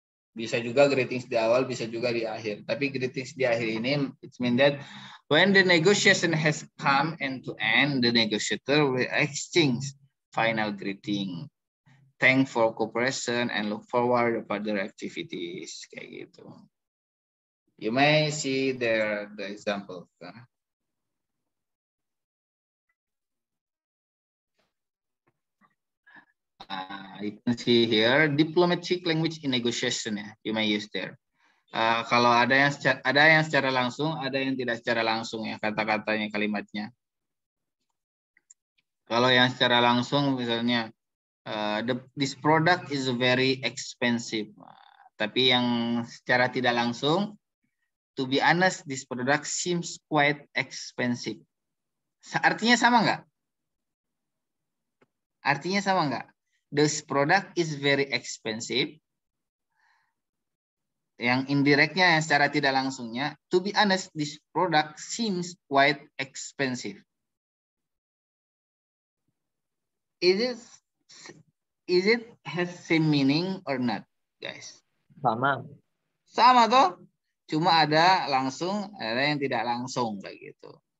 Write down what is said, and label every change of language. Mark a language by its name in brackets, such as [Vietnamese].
[Indonesian] Bisa juga greetings di awal, bisa juga di akhir. Tapi greetings di akhir ini, [English] it means that when the negotiation has come end to end, the negotiator will exchange final greeting. Thank for cooperation and look forward to further activities. [Indonesian] Kayak gitu. [English] You may see there the example. You can see here diplomatic language in negotiation, ya, you may use there. [Indonesian] Kalau ada yang secara langsung, ada yang tidak secara langsung, ya, kata-katanya, kalimatnya. Kalau yang secara langsung misalnya [English] this product is very expensive. [Indonesian] Tapi yang secara tidak langsung, [English] to be honest, this product seems quite expensive. [Indonesian] Artinya sama enggak? Artinya sama enggak? [English] This product is very expensive. [Indonesian] Yang indirectnya, yang secara tidak langsungnya, [English] to be honest, this product seems quite expensive. Is it has same meaning or not, guys? [Indonesian] Sama. Sama toh? Cuma ada langsung, ada yang tidak langsung kayak gitu.